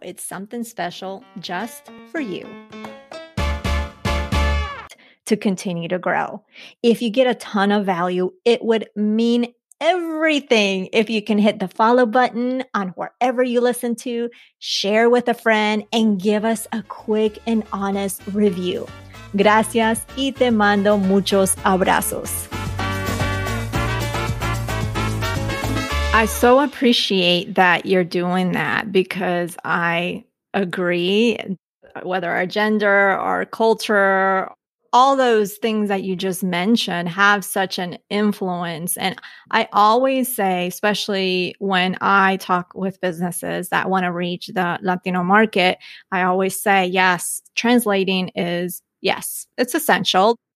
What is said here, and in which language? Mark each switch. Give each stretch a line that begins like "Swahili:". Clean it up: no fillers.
English: It's something special just for you to continue to grow. If you get a ton of value, it would mean everything if you can hit the follow button on wherever you listen to, share with a friend, and give us a quick and honest review.
Spanish: Gracias y te mando muchos abrazos.
English: I so appreciate that you're doing that, because I agree, whether our gender, our culture, all those things that you just mentioned have such an influence. And I always say, especially when I talk with businesses that want to reach the Latino market, I always say, yes, translating is, yes, it's essential.